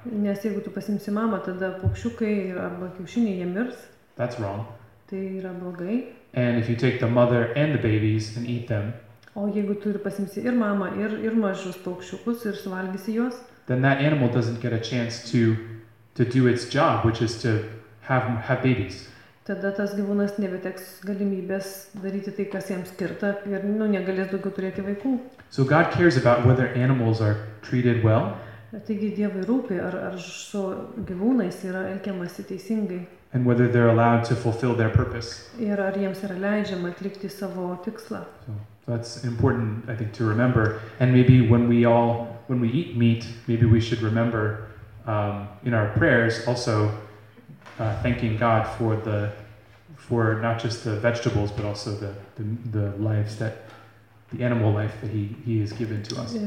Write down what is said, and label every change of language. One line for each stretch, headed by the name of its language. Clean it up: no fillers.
Lithuanian: Nes jeigu tu pasimsi mamą, tada paukščiukai arba kiaušiniai jie mirs.
English: That's wrong.
Lithuanian: Tai yra blogai.
English: And if you take the mother and the babies and eat them.
Lithuanian: O jeigu tu ir pasimsi ir mamą, ir mažus paukščiukus ir suvalgysi juos,
English: then that animal doesn't get a chance to do its job, which is to have babies.
Lithuanian: Tada tas gyvūnas nebeteks galimybės daryti tai, kas jam skirta, ir negalės daugiau turėti vaikų.
English: So God cares about whether animals are treated well.
Lithuanian: Taigi Dievui rūpi, ar su gyvūnais yra elgiamasi teisingai.
English: And whether they're allowed to fulfill their purpose.
Lithuanian: Ir ar jiems yra leidžiama atlikti savo tikslą.
English: So that's important, I think, to remember. And maybe when we eat meat, maybe we should remember in our prayers also thanking God for not just the vegetables but also the lives that the animal life that he has given to us.